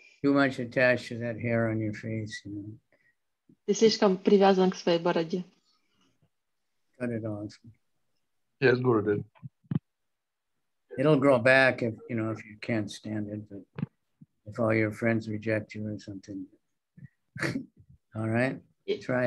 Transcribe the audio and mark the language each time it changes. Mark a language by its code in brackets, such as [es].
[en] Too much attached to that hair on your face, you know. [ru] Ты слишком привязан к своей бороде. [en] Cut it off. Yes, Guru did. It'll grow back if, you know, if you can't stand it, but if all your friends reject you or something. All right? Try it.